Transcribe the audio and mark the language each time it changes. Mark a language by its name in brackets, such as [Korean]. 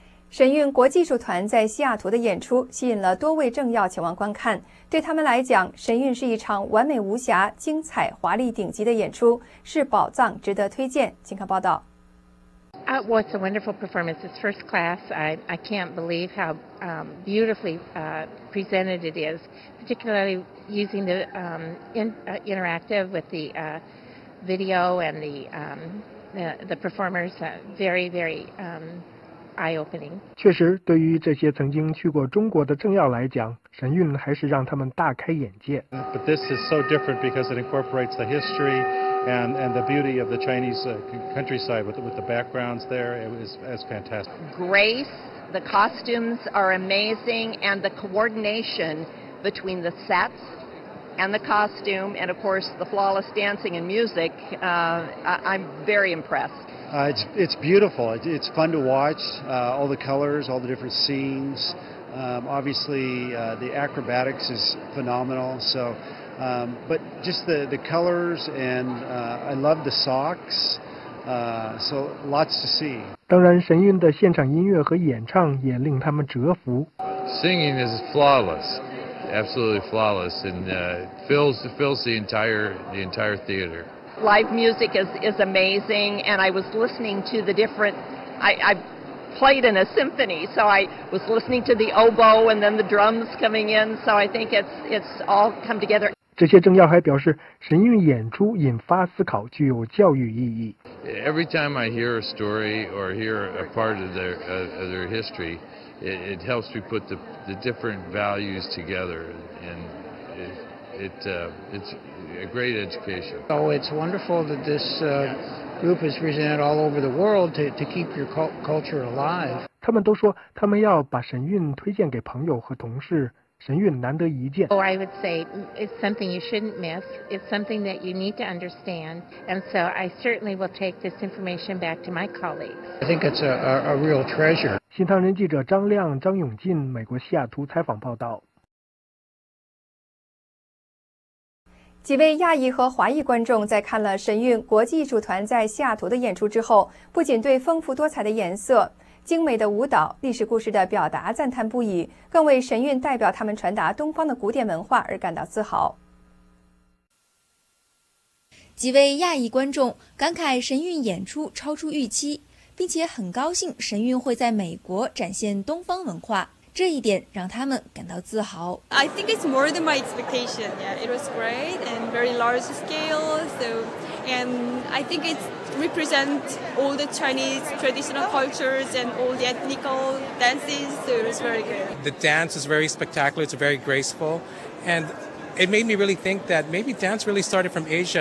[Chinese] 神韵国技术团在西雅图的演出吸引了多位政要前往观看，对他们来讲，神韵是一场完美无瑕、精彩华丽顶级的演出，是宝藏，值得推荐。请看报道。 [English] Well, it's a wonderful performance. It's first class. I can't believe how beautifully presented it is, particularly using the interactive with the video and the performers. Very, very eye-opening. [Chinese] 确实，对于这些曾经去过中国的政要来讲，神韵还是让他们大开眼界。 [English] But this is so different because it incorporates the history. And the beauty of the Chinese countryside with the backgrounds there, it was fantastic. Grace, the costumes are amazing, and the coordination between the sets and the costume, and of course the flawless dancing and music, I'm very impressed. It's beautiful. It's fun to watch, all the colors, all the different scenes. Obviously, the acrobatics is phenomenal, so... but just the colors and I love the socks, so lots to see. [Chinese] 当然，神韵的现场音乐和演唱也令他们折服。 [English] Singing is flawless, absolutely flawless, and fills the entire theater. Live music is amazing, and I was listening to the different. I played in a symphony, so I was listening to the oboe and then the drums coming in. So I think it's all come together. [Chinese] 这些政要还表示，神韵演出引发思考，具有教育意义。 [English] Every time I hear a story or hear a part of their history, it helps me put the different values together, and it's a great education. Oh, it's wonderful that this group is presented all over the world to keep your culture alive. [Chinese] 他们都说，他们要把神韵推荐给朋友和同事。神韵难得一见。 [English] Oh, I would say it's something you shouldn't miss. It's something that you need to understand. And so I certainly will take this information back to my colleagues. I think it's a real treasure. [Chinese] 新唐人记者张亮、张永进，美国西雅图采访报道。几位亚裔和华裔观众在看了神韵国际艺术团在西雅图的演出之后，不仅对丰富多彩的颜色、精美的舞蹈、历史故事的表达赞叹不已，更为神韵代表他们传达东方的古典文化而感到自豪。几位亚裔观众感慨神韵演出超出预期，并且很高兴神韵会在美国展现东方文化，这一点让他们感到自豪。 [English] I think it's more than my expectation. Yeah, it was great and very large scale. So, and I think it's represent all the Chinese traditional cultures and all the ethnical dances. So it was very good. The dance is very spectacular. It's very graceful, and it made me really think that maybe dance really started from Asia.